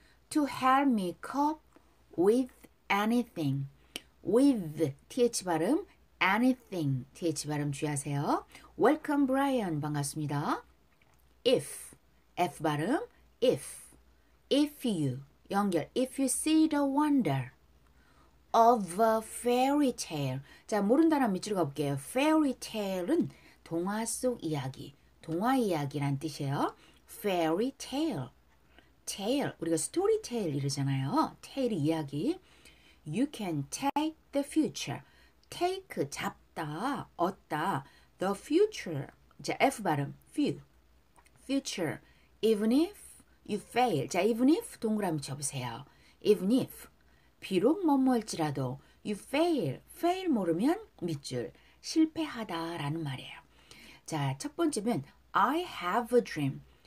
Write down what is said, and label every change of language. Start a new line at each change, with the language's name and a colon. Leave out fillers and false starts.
English: To help me cope with anything.
Korean: With, TH 발음. Anything, TH 발음 주의하세요.
English: Welcome, Brian.
Korean: 반갑습니다. If, F 발음.
English: If you, 연결. If you see the wonder of a fairy tale.
Korean: 자, 모른다는 밑줄 가볼게요. Fairy tale은 동화 속 이야기, 동화 이야기란 뜻이에요.
English: Fairy tale.
Korean: Tale, 우리가 story tale 이러잖아요. Tale 이야기.
English: You can take the future. Take, 잡다, 얻다. The future, 자, F 발음, few. Future, even if you fail.
Korean: 자, even if, 동그라미 쳐보세요. Even if, 비록 뭐뭐일지라도,
English: you fail.
Korean: Fail 모르면 밑줄, 실패하다 라는 말이에요. 자, 첫 번째는
English: I have a dream.